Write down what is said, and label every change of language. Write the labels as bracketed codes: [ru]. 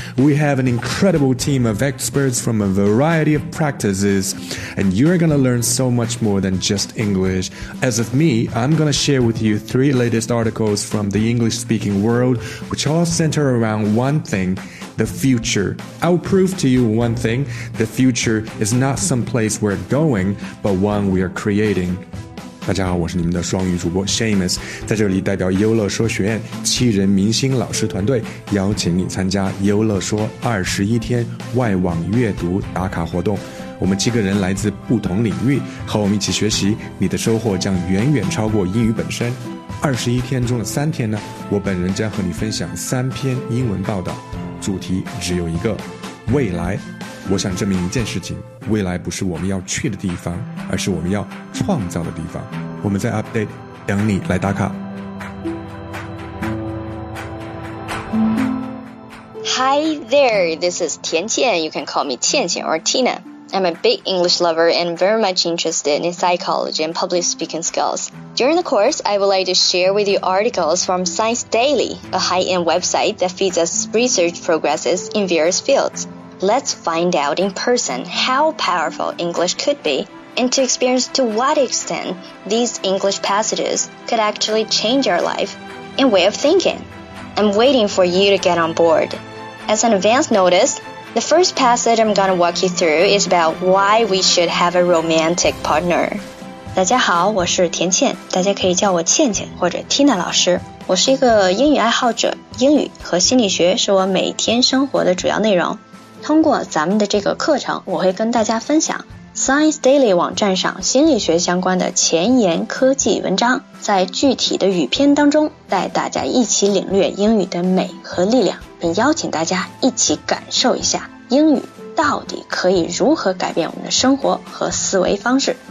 [en] We have an incredible team of experts from a variety of practices, and you're going to learn so much more than just English. As of me, I'm going to share with you three latest articles from the English-speaking world, which all center around one thing: the future. I'll prove to you one thing: the future is not some place we're going, but one we are creating. [zh] 大家好，我是你们的双语主播 Seamus， 在这里代表优乐说学院七人明星老师团队，邀请你参加优乐说21天外网阅读打卡活动。我们七个人来自不同领域，和我们一起学习，你的收获将远远超过英语本身。 21天中的3天呢，我本人将和你分享3篇英文报道，主题只有一个，未来。我想证明一件事情，未来不是我们要去的地方，而是我们要创造的地方。我们在 update， 等你来打卡。 [en] Hi there, this is 田倩 You can call me 倩倩 or Tina. I'm a big English lover and very much interested in psychology and public speaking skills. During the course, I would like to share with you articles from Science Daily, a high-end website that feeds us research progresses in various fields. Let's find out in person how powerful English could be and to experience to what extent these English passages could actually change our life and way of thinking. I'm waiting for you to get on board. As an advance notice, the first passage I'm going to walk you through is about why we should have a romantic partner. [zh] 大家好，我是田倩，大家可以叫我倩倩或者 Tina 老师。我是一个英语爱好者，英语和心理学是我每天生活的主要内容。通过咱们的这个课程，我会跟大家分享 Science Daily 网站上心理学相关的前沿科技文章，在具体的语篇当中带大家一起领略英语的美和力量，并邀请大家一起感受一下英语到底可以如何改变我们的生活和思维方式。